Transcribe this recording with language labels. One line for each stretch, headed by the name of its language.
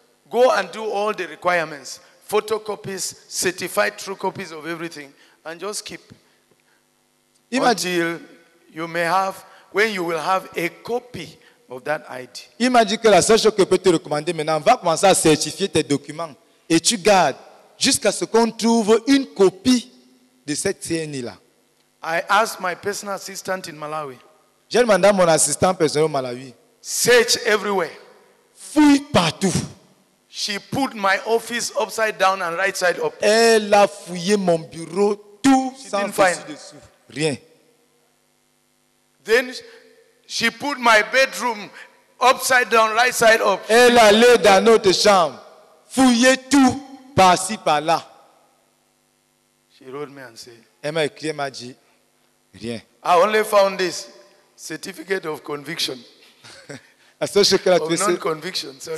English: Go and do all the requirements, photocopies, certified true copies of everything, and just keep. Imagine you may have when you will have a copy of that ID.
French: Imagine que la seule chose que peut te recommander maintenant va commencer à certifier tes documents et tu gardes jusqu'à ce qu'on trouve une copie de cette CNI là.
English: I asked my personal assistant in Malawi.
French: J'ai demandé à mon assistant personnel au Malawi.
English: Search everywhere.
French: Fouille partout.
English: She put my office upside down and right side up.
French: Elle a fouillé mon bureau tout sans dessus dessous. Rien.
English: Then she put my bedroom upside down, right side up.
French: Elle allait dans notre chambre, fouillé tout par-ci par-là.
English: She wrote me and said.
French: Elle m'a écrit et m'a dit rien.
English: I only found this certificate of conviction.
French: La seule chose qu'elle a trouvé, c'est non-conviction, sorry.